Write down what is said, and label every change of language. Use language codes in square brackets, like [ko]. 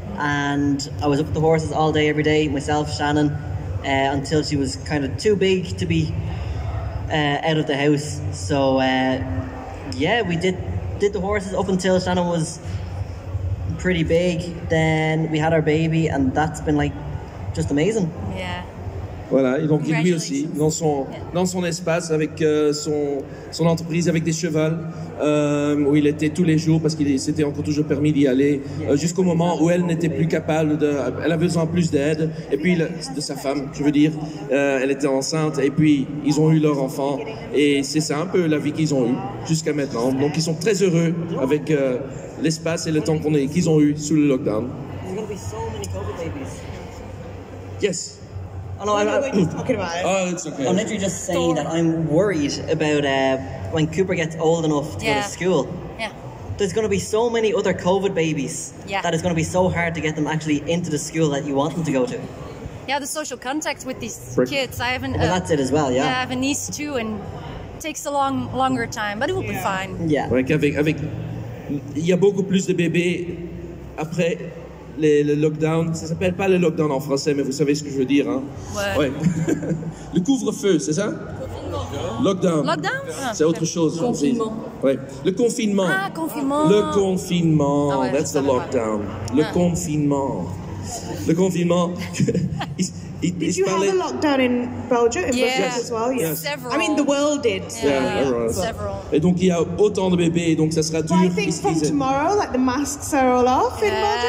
[en] And I was up with the horses all day, every day, myself, Shannon, until she was kind of too big to be out of the house. So we did the horses up until Shannon was pretty big, then we had our baby, and that's been like just amazing. Yeah. [fr] Voilà, et donc lui aussi, dans son espace, avec son entreprise, avec des chevals, où il était tous les jours, parce qu'il s'était encore toujours permis d'y aller, jusqu'au moment où elle n'était plus capable, elle avait besoin de plus d'aide, et puis de sa femme, je veux dire, elle était enceinte, et puis ils ont eu leur enfant, et c'est ça un peu la vie qu'ils ont eue jusqu'à maintenant. Donc ils sont très heureux avec... l'espace et le temps qu'ils ont eu sous le lockdown. [en] There's going to be so many COVID babies. Yes. I know, I'm talking about it. Oh, it's okay. I'm literally just saying that I'm worried about when Cooper gets old enough to go to school. Yeah. There's going to be so many other COVID babies that it's going to be so hard to get them actually into the school that you want them to go to. Yeah, the social contact with these kids. I haven't... Well, that's it as well, I have a niece too and it takes a longer time, but it will be fine. Yeah. Like having... [fr] Il y a beaucoup plus de bébés après le lockdown. Ça s'appelle pas le lockdown en français, mais vous savez ce que je veux dire. Hein? Ouais. Le couvre-feu, c'est ça? [en] Lockdown. [fr] C'est autre chose. Le confinement. Ah, confinement. Le confinement. Ah, ouais, [en] that's the lockdown. [fr] Le confinement. Le confinement. [en] Did you have a lockdown in Belgium? Yeah. As well? Yes. Several. I mean, the world did. Yeah. Several. [fr] Et donc, il y a autant de bébés, donc ça sera dur. [en] But I think from tomorrow, like, the masks are all off in Belgium.